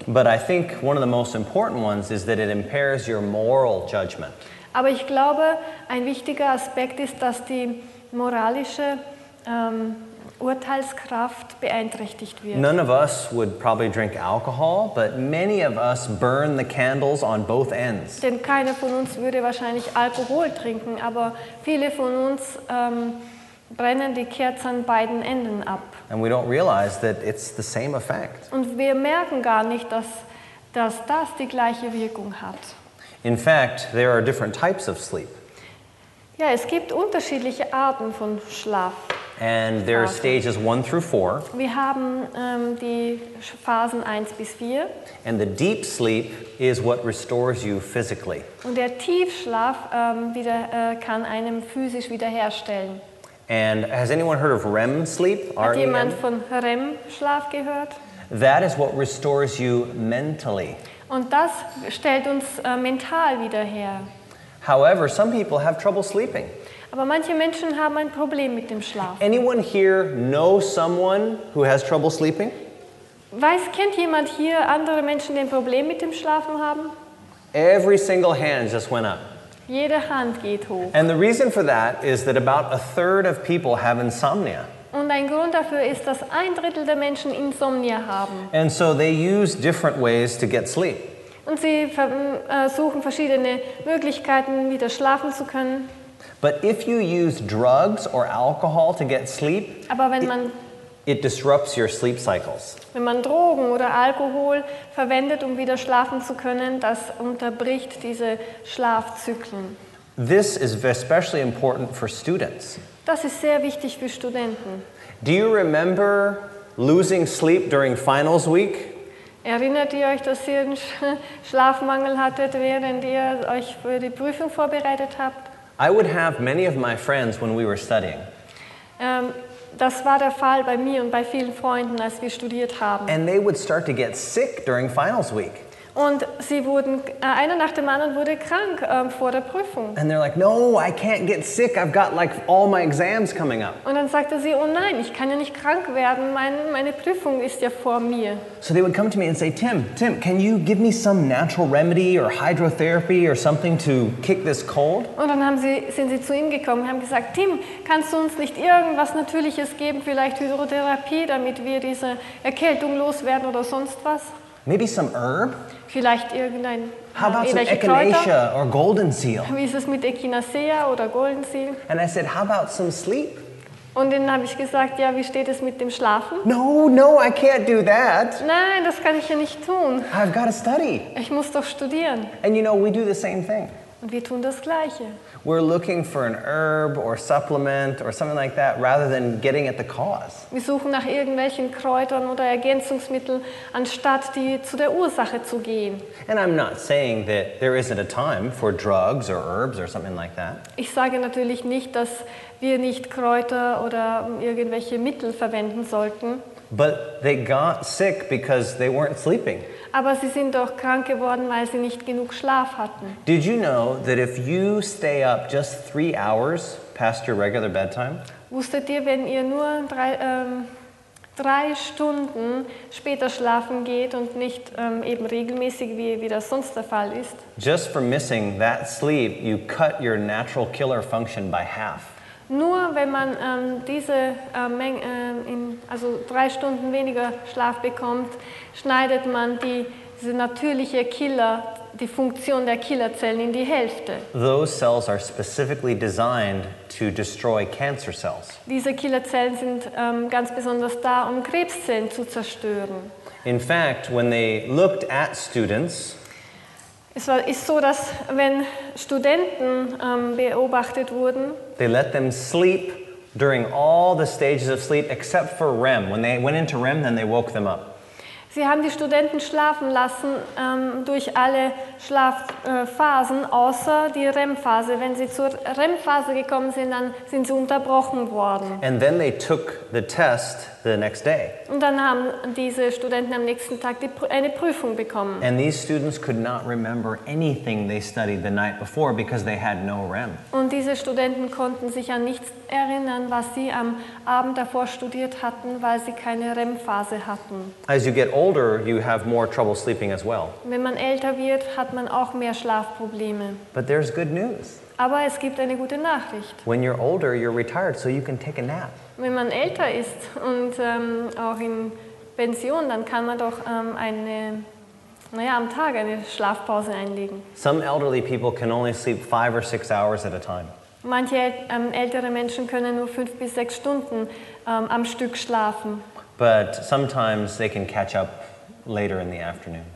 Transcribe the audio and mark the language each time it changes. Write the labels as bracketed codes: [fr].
[en] But I think one of the most important ones is that it impairs your moral judgment. [de] Aber ich glaube, ein wichtiger Aspekt ist, dass die moralische Urteilskraft beeinträchtigt wird. [en] None of us would probably drink alcohol, but many of us burn the candles on both ends. [de] Denn keiner von uns würde wahrscheinlich Alkohol trinken, aber viele von uns brennen die Kerze an beiden Enden ab. [en] And we don't realize that it's the same effect. [de] Und wir merken gar nicht, dass das die gleiche Wirkung hat. [en] In fact, there are different types of sleep. [de] Ja, es gibt unterschiedliche Arten von Schlaf. [en] And there are stages 1 through 4. [de] Wir haben die Phasen 1 bis 4. [en] And the deep sleep is what restores you physically. [de] Und der Tiefschlaf kann einem physisch wiederherstellen. [en] And has anyone heard of REM sleep? [de] Hat jemand von REM-Schlaf gehört? [en] That is what restores you mentally. [de] Und das stellt uns mental wieder her. [en] However, some people have trouble sleeping. [de] Aber manche Menschen haben ein Problem mit dem Schlaf. [en] Anyone here know someone who has trouble sleeping? [de] Kennt jemand hier andere Menschen, die ein Problem mit dem Schlafen haben? [en] Every single hand just went up. [de] Jede Hand geht hoch. [en] And the reason for that is that about a third of people have insomnia. [de] Und ein Grund dafür ist, dass ein Drittel der Menschen Insomnia haben. [en] And so they use different ways to get sleep. [de] Und sie suchen verschiedene Möglichkeiten, wieder schlafen zu können. [en] But if you use drugs or alcohol to get sleep, [de] aber wenn man, [en] it disrupts your sleep cycles. [de] Wenn man Drogen oder Alkohol verwendet, um wieder schlafen zu können, das unterbricht diese Schlafzyklen. [en] This is especially important for students. [de] Das ist sehr wichtig für Studenten. [en] Do you remember losing sleep during finals week? [de] Erinnert ihr euch, dass ihr einen Schlafmangel hattet, während ihr euch für die Prüfung vorbereitet habt? [en] I would have many of my friends when we were studying. [de] Das war der Fall bei mir und bei vielen Freunden, als wir studiert haben. [en] And they would start to get sick during finals week. [de] Und sie wurden einer nach dem anderen wurde krank vor der Prüfung. [en] And they're like, "No, I can't get sick. I've got like all my exams coming up." [de] Und dann sagte sie, "Oh nein, ich kann ja nicht krank werden. Meine Prüfung ist ja vor mir." [en] So they would come to me and say, "Tim, can you give me some natural remedy or hydrotherapy or something to kick this cold?" [de] Und dann sind sie zu ihm gekommen und haben gesagt, "Tim, kannst du uns nicht irgendwas Natürliches geben, vielleicht Hydrotherapie, damit wir diese Erkältung loswerden oder sonst was?" [en] Maybe some herb? [de] Vielleicht irgendein [en] How about some echinacea or golden seal? [de] Wie ist es mit Echinacea oder Golden Seal? [en] And I said, how about some sleep? [de] Und dann habe ich gesagt, ja, wie steht es mit dem Schlafen? [en] No, I can't do that. [de] Nein, das kann ich ja nicht tun. [en] I've got to study. [de] Ich muss doch studieren. [en] And you know, we do the same thing. [de] Und wir tun das Gleiche. [en] We're looking for an herb or supplement or something like that rather than getting at the cause. [de] Wir suchen nach irgendwelchen Kräutern oder Ergänzungsmitteln, anstatt die zu der Ursache zu gehen. [en] And I'm not saying that there isn't a time for drugs or herbs or something like that. [de] Ich sage natürlich nicht, dass wir nicht Kräuter oder irgendwelche Mittel verwenden sollten. [en] But they got sick because they weren't sleeping. [de] Aber sie sind doch krank geworden, weil sie nicht genug Schlaf hatten. [en] Did you know that if you stay up just 3 hours past your regular bedtime? [de] Wusstet ihr, wenn ihr nur drei Stunden später schlafen geht und nicht eben regelmäßig, wie das sonst der Fall ist? [en] Just for missing that sleep, you cut your natural killer function by half. [de] Nur wenn man diese Menge, also 3 Stunden weniger Schlaf bekommt, schneidet man diese natürliche Killer, die Funktion der Killerzellen in die Hälfte. [en] Those cells are specifically designed to destroy cancer cells. [de] Diese Killerzellen sind ganz besonders da, um Krebszellen zu zerstören. [en] In fact, when they looked at students, [de] es ist so, dass wenn Studenten beobachtet wurden, [en] they let them sleep during all the stages of sleep except for REM. When they went into REM, then they woke them up. [de] Sie haben die Studenten schlafen lassen durch alle Schlafphasen, außer die REM-Phase. Wenn sie zur REM-Phase gekommen sind, dann sind sie unterbrochen worden. [en] And then they took the test the next day. [de] Und dann haben diese Studenten am nächsten Tag eine Prüfung bekommen. [en] And these students could not remember anything they studied the night before because they had no REM. [de] Und diese Studenten konnten sich an nichts erinnern, was sie am Abend davor studiert hatten, weil sie keine REM-Phase hatten. [en] As you get older, you have more trouble sleeping as well. [de] Wenn man älter wird, hat man auch mehr Schlafprobleme. [en] But there's good news. [de] Aber es gibt eine gute Nachricht. [en] When you're older, you're retired, so you can take a nap. [de] Wenn man älter ist und auch in Pension, dann kann man doch am Tag eine Schlafpause einlegen. [en] Some elderly people can only sleep 5 or 6 hours at a time. [de] Manche ältere Menschen können nur 5 bis 6 Stunden am Stück schlafen. [en] But sometimes they can catch up later in the afternoon.